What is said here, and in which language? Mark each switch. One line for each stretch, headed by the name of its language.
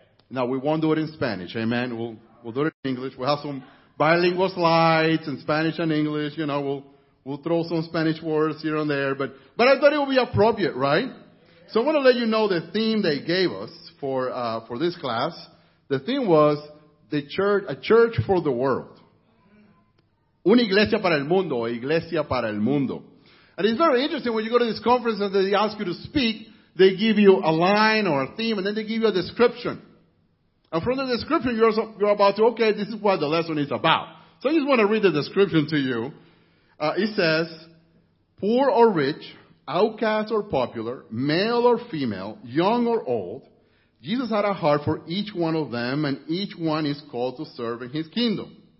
English: No, we won't do it in Spanish, amen? We'll do it in English. We'll have some bilingual slides in Spanish and English, you know, we'll throw some Spanish words here and there, but I thought it would be appropriate, right? So I want to let you know the theme they gave us for this class. The theme was a church for the world.
Spanish: Una iglesia para el mundo, iglesia para el mundo.
English: And it's very interesting when you go to this conference and they ask you to speak, they give you a line or a theme, and then they give you a description. And from the description, you're about to, okay, this is what the lesson is about. So I just want to read the description to you. It says, poor or rich, outcast or popular, male or female, young or old, Jesus had a heart for each one of them, and each one is called to serve in his kingdom.